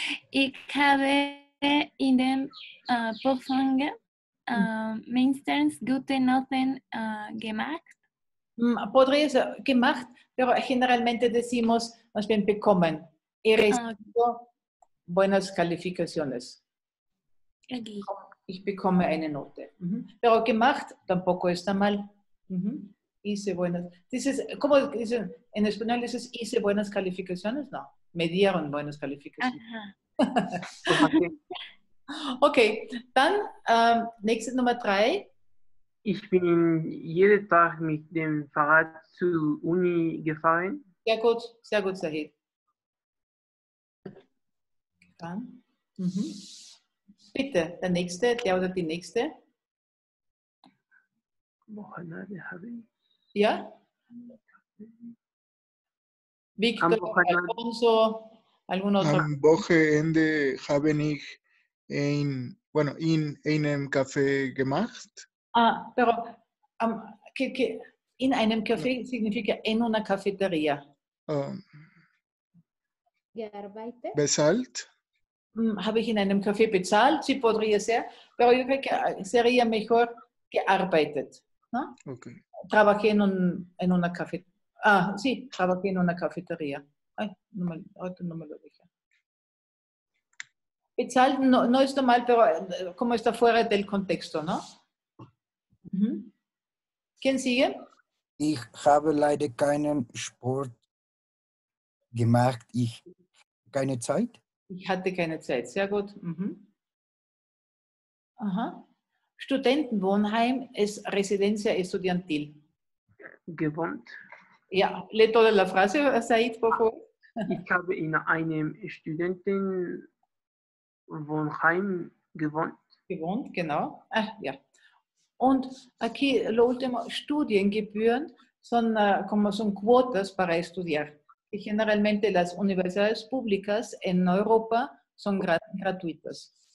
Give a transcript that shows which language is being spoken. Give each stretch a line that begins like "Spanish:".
German: Ich habe in den Prüfungen mindestens gute Noten gemacht.
Spanish: Podría ser gemacht, pero generalmente decimos más bien bekommen. He recibido buenas calificaciones.
English: Okay.
German: Ich bekomme eine Note.
Spanish: Pero gemacht tampoco está mal. Hice buenas. Dices, ¿cómo dicen? En español dices, ¿hice buenas calificaciones? No, me dieron buenas calificaciones.
German: Ok, dann, nächste Nummer 3. Ich bin jeden Tag mit dem Fahrrad zur Uni gefahren. Sehr gut, Sahid. Dann, bitte, der nächste, der oder die nächste. Wochenende habe ich. Ja?
Spanish: Victor, Alfonso, algún otro.
German: Am Wochenende habe ich ein, bueno, in einem Café gemacht.
Spanish: Ah, pero que in einem Café significa en una cafetería.
German: Gearbeitet. Bezahlt.
Spanish: Habe ich in einem Café bezahlt, sí podría ser, pero yo creo que sería mejor gearbeitet, ¿no?
English: Okay.
Spanish: Trabajé en una cafetería. Ah, sí, trabajé en una cafetería. Ay, no me lo dije. Bezahlt no es normal, pero como está fuera del contexto, ¿no? ¿Quién sigue?
German: Ich habe leider keinen Sport gemacht. Ich keine Zeit. Ich hatte keine Zeit, sehr gut.
Spanish: Aha. Studentenwohnheim es Residencia Estudiantil.
German: Gewohnt.
Spanish: Ja, lädt oder la frase, Said, por favor.
German: Ich habe in einem Studentenwohnheim gewohnt. Gewohnt, genau. Ah, ja.
Spanish: Und aquí lo último, Studiengebühren son como son cuotas para estudiar. Y generalmente las universidades públicas en Europa son gratuitas.